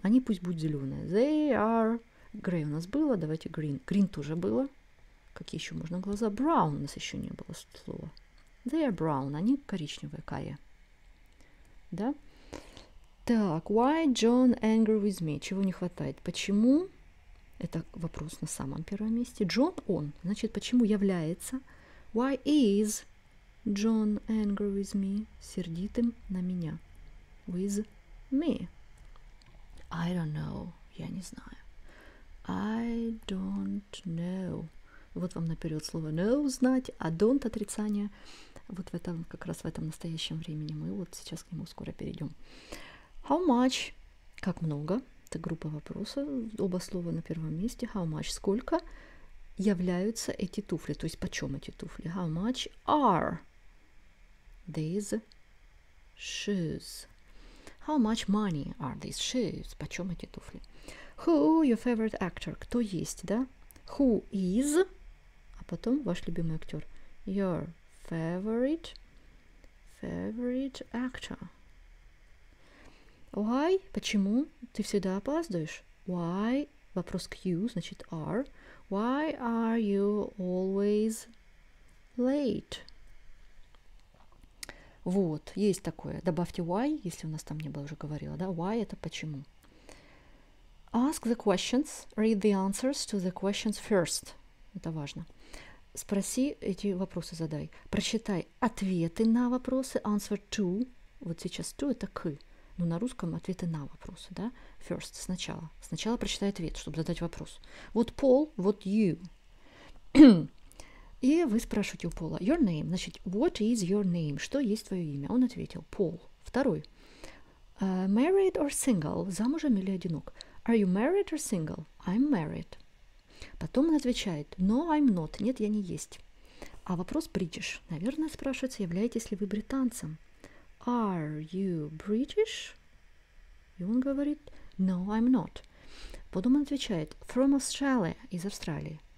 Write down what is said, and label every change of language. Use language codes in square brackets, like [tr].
[ru] Они пусть будут зеленые. [en] They are... [ru] Grey у нас было, давайте green. Green тоже было. Какие еще можно глаза? Brown у нас еще не было слова. [en] They are brown. [ru] Они коричневые, карие. Да? [en] Так, why John angry with me? [ru] Чего не хватает? Почему? Это вопрос на самом первом месте. John, он. Значит, почему является? [en] Why is John angry with me? [ru] Сердитым на меня. [en] With me. I don't know. [ru] Я не знаю. [en] I don't know. [ru] Вот вам наперед слово know — знать, а don't — отрицание. Вот в этом, как раз в этом настоящем времени мы вот сейчас к нему скоро перейдем. [en] How much? [ru] Как много? Это группа вопросов. Оба слова на первом месте. [en] How much? [ru] Сколько являются эти туфли? То есть почем эти туфли? [en] How much are these shoes? How much money are these shoes? [ru] Почем эти туфли? [en] Who your favorite actor? [ru] Кто есть, да? [en] Who is? [ru] А потом ваш любимый актер. [en] Your favorite actor. Why? [ru] Почему? Ты всегда опаздываешь. Why? Вопрос к you, значит are. [en] Why are you always late? [ru] Вот, есть такое. Добавьте why, если у нас там не было, уже говорила, да? Why — это почему. [en] Ask the questions. Read the answers to the questions first. [ru] Это важно. Спроси эти вопросы, задай. Прочитай ответы на вопросы. [en] Answer to. [ru] Вот сейчас to — это к. Но на русском ответы на вопросы, да? First — сначала. Сначала прочитай ответ, чтобы задать вопрос. Вот Paul, вот you. И вы спрашиваете у Пола. Your name. [en] Значит, what is your name? [ru] Что есть твое имя? Он ответил. Paul. Второй. [en] Married or single? [ru] Замужем или одинок? [en] Are you married or single? I'm married. [ru] Потом он отвечает, [en] no, I'm not, [ru] нет, я не есть. А вопрос British. Наверное, спрашивается, являетесь ли вы британцем. [en] Are you British? [ru] И он говорит, [en] no, I'm not. [ru] Потом он отвечает, from Australia, из Австралии.